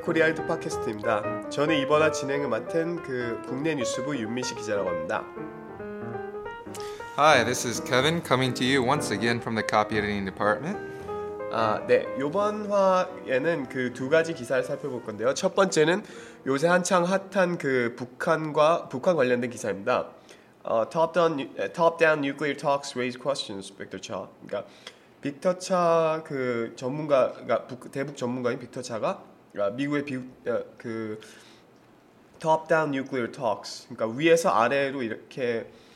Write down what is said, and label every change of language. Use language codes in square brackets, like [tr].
[ko] 코리아이드 팟캐스트입니다. 저는 이번화 진행을 맡은 그 국내 뉴스부 윤민식 기자라고 합니다. [en] Hi, this is Kevin coming to you once again from the copy editing department. [ko] 아, 네. 이번화에는 그 두 가지 기사를 살펴볼 건데요. 첫 번째는 요새 한창 핫한 그 북한 관련된 기사입니다. [en] Top down nuclear talks raise questions, Victor Cha. [ko] 그러니까 빅터 차 그 전문가가 그러니까 대북 전문가인 빅터 차가 그러니까 미국의 그 [en] top down nuclear talks [ko] 그러니까 위에서 아래로 이렇게